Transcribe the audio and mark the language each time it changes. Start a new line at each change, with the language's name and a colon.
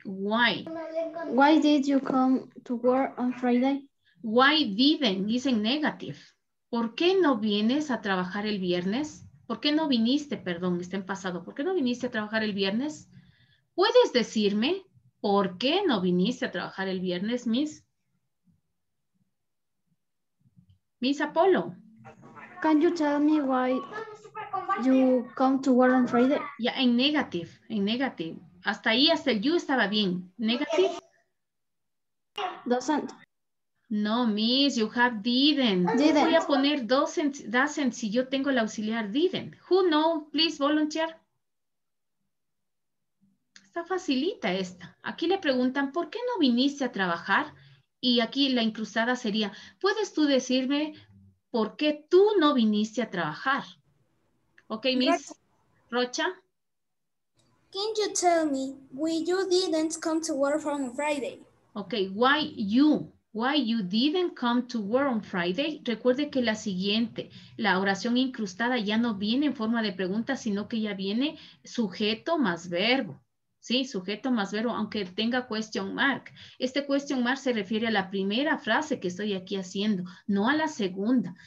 English: Why did you come to work on Friday? Why didn't?
Spanish: Dicen
English: negative.
Spanish: ¿Por qué no vienes a trabajar el viernes? ¿Por qué no viniste? Perdón, está en pasado. ¿Por qué no viniste a trabajar el viernes? ¿Puedes decirme por qué no viniste a trabajar el viernes, Miss?
English: Miss Apolo. Can you tell me why you come to work on Friday?
Spanish: Yeah, en negative. Hasta el you estaba bien. Negative?
English: Doesn't. No, miss, you have didn't. Didn't.
Spanish: Voy a poner doesn't si yo tengo el auxiliar didn't.
English: Who know? Please volunteer.
Spanish: Está facilita esta. Aquí le preguntan, ¿por qué no viniste a trabajar? Y aquí la incrustada sería, ¿puedes tú decirme por qué tú no viniste a trabajar? Ok, Miss Rocha.
English: Can you tell me why you didn't come to work on Friday? Okay, why you didn't come to work on Friday?
Spanish: Recuerde que la siguiente, la oración incrustada ya no viene en forma de pregunta, sino que ya viene sujeto más verbo. Sí, sujeto más verbo, aunque tenga question mark. Este question mark se refiere a la primera frase que estoy aquí haciendo, no a la segunda.